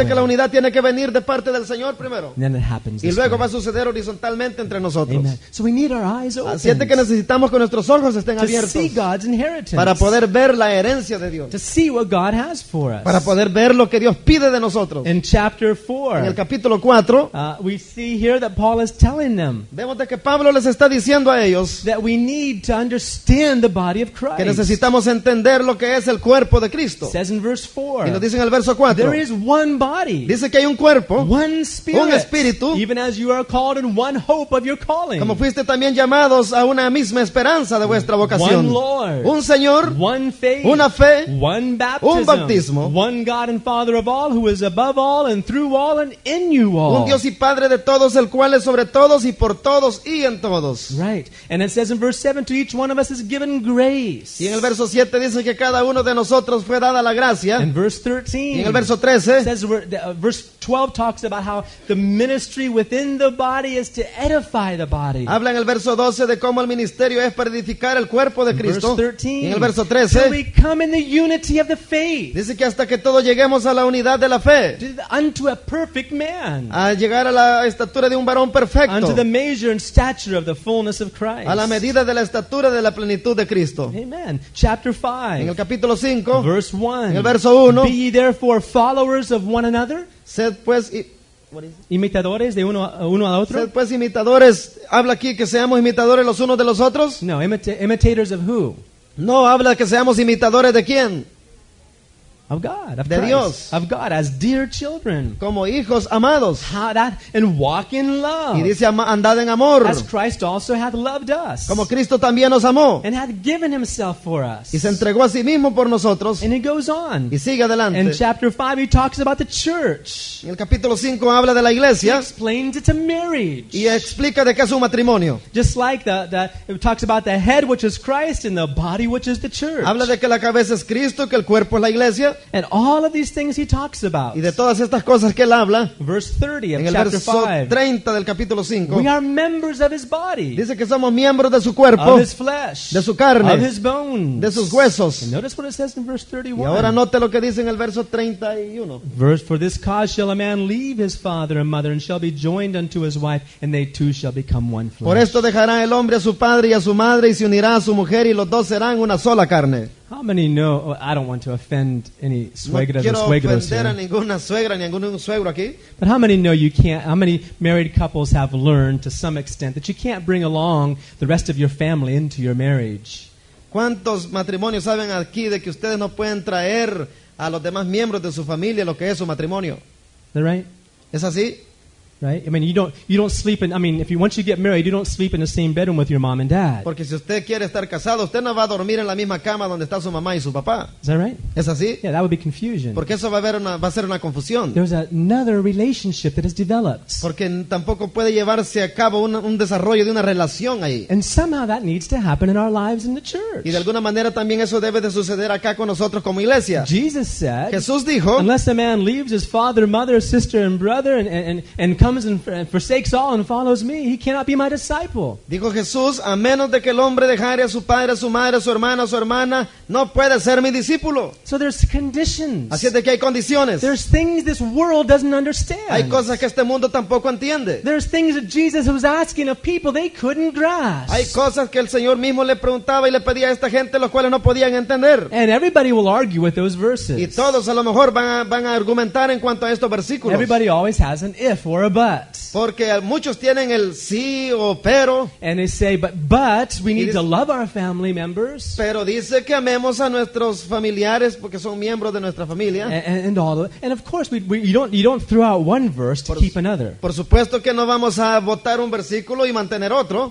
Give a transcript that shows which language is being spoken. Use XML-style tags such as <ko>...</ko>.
<es>Así que la unidad tiene que venir de parte del Señor primero.</es> <en>And then it happens</en> <es>y luego</es> <en>this way.</en> <es>Va a suceder horizontalmente entre nosotros.</es> <en>Amen. So we need our eyes open.</en> <es>Así es que necesitamos que nuestros ojos estén abiertos.</es> <en>To see God's inheritance.</en> <es>Para poder ver la herencia de Dios.</es> <en>To see what God has for us.</en> <es>Para poder ver lo que Dios pide de nosotros.</es> <en>In chapter 4.</en> <es>En el capítulo 4.</es> <en>We see here that Paul is telling them.</en> <es>Vemos de que Pablo les está diciendo a ellos.</es> <en>That we need to understand the body of Christ.</en> <es>Que necesitamos entender lo que es el cuerpo de Cristo.</es> <en>It says in verse 4.</en> <es>Y nos dice en el verso 4.</es> <en>There is one body.</en> <es>Dice que hay un cuerpo.</es> <en>One spirit.</en> <es>Un espíritu.</es> <en>Even as you are called in one hope of your calling.</en> <es>Como fuiste también llamados a una misma esperanza de vuestra vocación.</es> <en>One Lord.</en> <es>Un Señor.</es> <en>One faith.</en> <es>Una fe.</es> <en>One baptism.</en> <es>Un bautismo.</es> <en>One God and Father of all, who is above all and through all and in you all.</en> <es>Un Dios y Padre de todos, el cual es sobre todos y por todos y en todos.</es> <en>Right. And it says in verse 7, to each one of us is given grace.</en> <es>Y en el verso 7 dice que cada uno de nosotros fue dada la gracia.</es> <en>In verse 13.</en> <es>Y en el verso 13.</es> <en>It says verse 12 talks about how the ministry within the body is to edify the body.</en> <es>Habla en el verso 12 de cómo el ministerio es para edificar el cuerpo de Cristo.</es> <en>Verse 13.</en> <es>En el verso 13.</es> <en>Till we come in the unity of the faith.</en> <es>Dice que hasta que todos lleguemos a la unidad de la fe.</es> <en>Unto a perfect man.</en> <es>A llegar a la estatura de un varón perfecto.</es> <en>Unto the measure and stature of the fullness of Christ.</en> <es>A la medida de la estatura de la plenitud de Cristo.</es> <en>Amen. Chapter 5.</en> <es>En el capítulo 5.</es> <en>Verse 1.</en> <es>En el verso 1.</es> <en>Be ye therefore followers of one another.</en> <es>Sed pues imitadores de uno a otro. Sed pues imitadores. Habla aquí que seamos imitadores los unos de los otros.</es> <en>No, imitators of who?</en> <es>No, habla que seamos imitadores de quién.</es> <en>Of God, of</en> <es>de Dios.</es> <en>Of God, as dear children.</en> <es>Como hijos amados.</es> <en>How that, and walk in love.</en> <es>Y dice, andad en amor.</es> <en>As Christ also hath loved us.</en> <es>Como Cristo también nos amó.</es> <en>And hath given himself for us.</en> <es>Y se entregó a sí mismo por nosotros.</es> <en>And he goes on.</en> <es>Y sigue adelante.</es> <en>In chapter 5, he talks about the church.</en> <es>En el capítulo 5 habla de la iglesia.</es> <en>He explains it to marriage.</en> <es>Y explica de qué es un matrimonio.</es> <en>Just like it talks about the head, which is Christ, and the body, which is the church.</en> <es>Habla de que la cabeza es Cristo, que el cuerpo es la iglesia.</es> <en>And all of these things he talks about.</en> <es>Y de todas estas cosas que él habla,</es> <en>verse 30 of chapter 5.</en> <es>En el verso 30 del capítulo 5.</es> <en>We are members of his body.</en> <es>Dice que somos miembros de su cuerpo.</es> <en>Of his flesh.</en> <es>De su carne.</es> <en>Of his bones.</en> <es>De sus huesos.</es> <en>And notice what it says in verse 31.</en> <es>Y ahora note lo que dice en el verso 31.</es> <en>Verse, for this cause shall a man leave his father and mother and shall be joined unto his wife and they two shall become one flesh.</en> <es>Por esto dejará el hombre a su padre y a su madre y se unirá a su mujer y los dos serán una sola carne.</es> <en>How many know? Oh, I don't want to offend any suegras</en> <es>no</es> <en>or suegros here.</en> <es>A ninguna suegra, ni a ningún suegro aquí.</es> <en>But how many know you can't? How many married couples have learned to some extent that you can't bring along the rest of your family into your marriage?</en> <es>¿Cuántos matrimonios saben aquí de que ustedes no pueden traer a los demás miembros de su familia lo que es su matrimonio?</es> <en>Is that right?</en> <es>¿Es así?</es> <en>Right? I mean, you don't sleep in. I mean, if you once you get married, you don't sleep in the same bedroom with your mom and dad.</en> <es>Porque si usted quiere estar casado, usted no va a dormir en la misma cama donde está su mamá y su papá.</es> <en>Is that right?</en> <es>¿Es así?</es> <en>Yeah, that would be confusion.</en> <es>Porque eso va a ser una confusión.</es> <en>There's another relationship that has developed.</en> <es>Porque tampoco puede llevarse a cabo un desarrollo de una relación ahí.</es> <en>And somehow that needs to happen in our lives in the church.</en> <es>Y de alguna manera también eso debe de suceder acá con nosotros como iglesia.</es> <en>Jesus said.</en> <es>Jesús dijo.</es> <en>Unless a man leaves his father, mother, sister, and brother, and comes and forsakes all and follows me, he cannot be my disciple.</en> <es>Dijo Jesús, a menos de que el hombre dejare a su padre, a su madre, a su hermana, no puede ser mi discípulo.</es> <en>So there's conditions.</en> <es>Así es de que hay condiciones.</es> <en>There's things this world doesn't understand.</en> <es>Hay cosas que este mundo tampoco entiende.</es> <en>There's things that Jesus was asking of people they couldn't grasp.</en> <es>Hay cosas que el Señor mismo le preguntaba y le pedía a esta gente los cuales no podían entender.</es> <en>And everybody will argue with those verses.</en> <es>Y todos a lo mejor van a argumentar en cuanto a estos versículos.</es> <en>Everybody always has an if or but.</en> <es>Porque muchos tienen el sí o pero.</es> <en>And they say, but we need to love our family members.</en> <es>Pero dice que amemos a nuestros familiares porque son miembros de nuestra familia.</es> <en>And all of, and of course you don't throw out one verse to keep another.</en> <es>Por supuesto que no vamos a botar un versículo y mantener otro.</es>